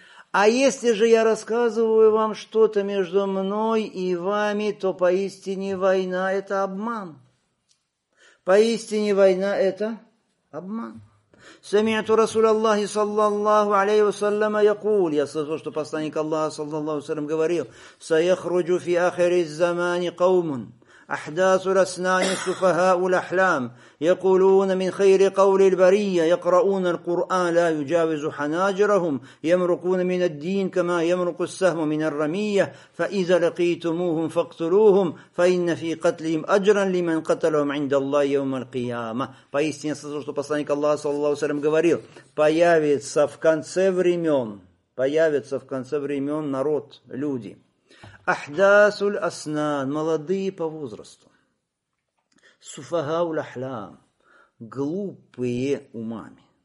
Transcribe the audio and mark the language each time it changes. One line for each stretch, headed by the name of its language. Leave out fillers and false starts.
Russian: А если же я рассказываю вам что-то между мной и вами, то поистине война – это обман. Поистине война – это обман.
Arabic: Самиату Расуляллахи, саллаллаху алейхи вассаляма, якул.
Russian: Я слышал, что посланник Аллаха, саллаллаху алейхи вассалям, говорил.
Arabic: Саяхруджу фи ахирис замани каумун. أحداث الأسنان السفهاء الأحلام يقولون من خير قول البرية يقرؤون القرآن لا يجاوز حناجرهم يمرقون من الدين كما يمرق السهم من الرمية فإذا لقيتموهم فاقتلوهم فإن في قتلهم أجرا لمن قتلهم عند الله يوم القيامة.
Russian: Поистине слышал, что посланник Аллаха саллаллаху алейхи ва саллям говорил, появится в конце времен народ, люди.
Arabic: Ахдасуль аснан,
Russian: молодые по возрасту.
Arabic: Суфахауль ахлам,
Russian: глупые умами.